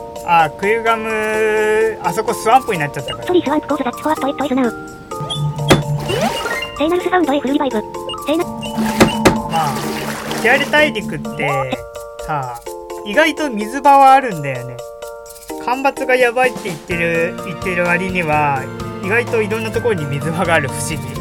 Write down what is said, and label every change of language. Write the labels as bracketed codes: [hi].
[ja] あ、クユガム、あそこスワンプになっちゃったから。 [en] Sorry, swamp cause that's what it is now. セイナルスサウンドへフルリバイブ。 [ja] セイナ。まあ、キアリ大陸ってさ、意外と水場はあるんだよね。干ばつがやばいって言ってる割には、意外といろんなところに水場がある不思議。